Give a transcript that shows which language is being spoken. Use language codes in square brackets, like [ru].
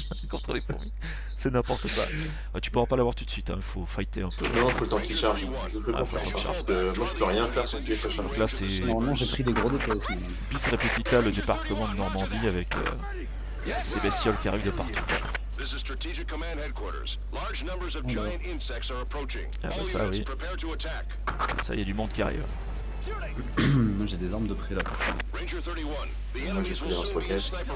[fr] Contre les fourmis. C'est n'importe quoi. Ah, tu pourras pas l'avoir tout de suite, hein. Faut fighter un peu. Non, faut le temps qu'il charge. Je fais pas faire ça. Moi je peux rien faire sans qu'il charge. Donc là c'est. Normalement j'ai pris des gros DPS. Bis repetita, le débarquement de Normandie avec des bestioles qui arrivent de partout. [en] This is Strategic Command Headquarters. Large numbers of giant insects are approaching. [fr] Ah bah ça oui. Ça y a du monde qui arrive. Moi j'ai des armes de près là. [en] Ranger 31, [fr] moi j'ai pris des roquettes.